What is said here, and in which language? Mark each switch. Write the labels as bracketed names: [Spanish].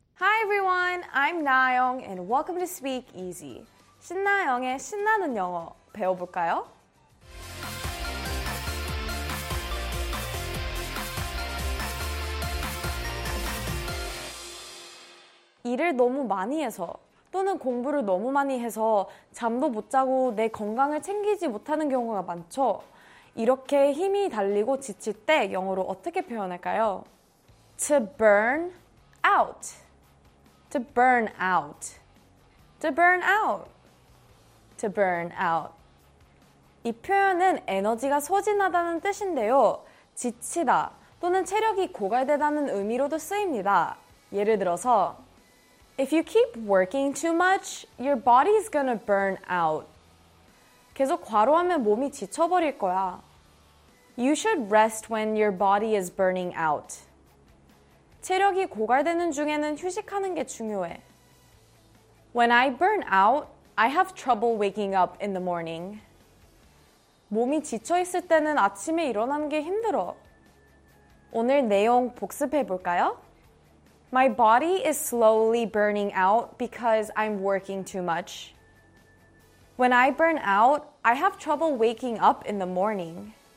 [English] Hi everyone, I'm Nayoung and welcome to Speak Easy. [Korean] 신나영의 신나는 영어 배워볼까요? 일을 너무 많이 해서 또는 공부를 너무 많이 해서 잠도 못 자고 내 건강을 챙기지 못하는 경우가 많죠. 이렇게 힘이 달리고 지칠 때 영어로 어떻게 표현할까요? [English] To burn out. To burn out. To burn out. To burn out. [Korean] 이 표현은 에너지가 소진하다는 뜻인데요. 지치다 또는 체력이 고갈되다는 의미로도 쓰입니다. 예를 들어서 [English] If you keep working too much, your body is gonna burn out. [Korean] 계속 과로하면 몸이 지쳐버릴 거야. [English] You should rest when your body is burning out. [Korean] 체력이 고갈되는 중에는 휴식하는 게 중요해. [English] When I burn out, I have trouble waking up in the morning. [Korean] 몸이 지쳐 있을 때는 아침에 일어나는 게 힘들어. 오늘 내용 복습해 볼까요? [English] My body is slowly burning out because I'm working too much. When I burn out, I have trouble waking up in the morning.